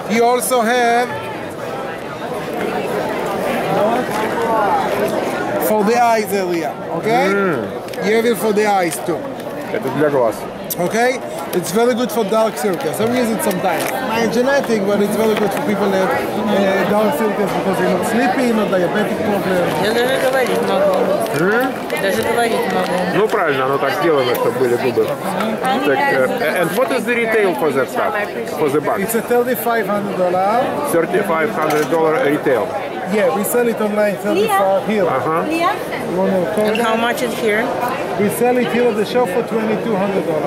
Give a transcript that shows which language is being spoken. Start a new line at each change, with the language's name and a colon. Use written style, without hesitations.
English: You also have for the eyes area, okay? Mm. You have it for the eyes too.
Russian: Это для глаз.
English: Okay? It's very good for dark circles. I'm using it sometimes. My genetic, but it's very good for people that have dark circles because they're not sleepy, not diabetic problem.
Russian: Я даже говорить могу. Даже говорить могу. Ну правильно, оно так сделано, чтобы были губы.
English: Так, and what is the retail for that stuff? For the box? It's a $3,500. $3,500 retail. Yeah, we sell it online, $3,500 here. Uh-huh. And how much is here? We sell it here at the shop for $2,200.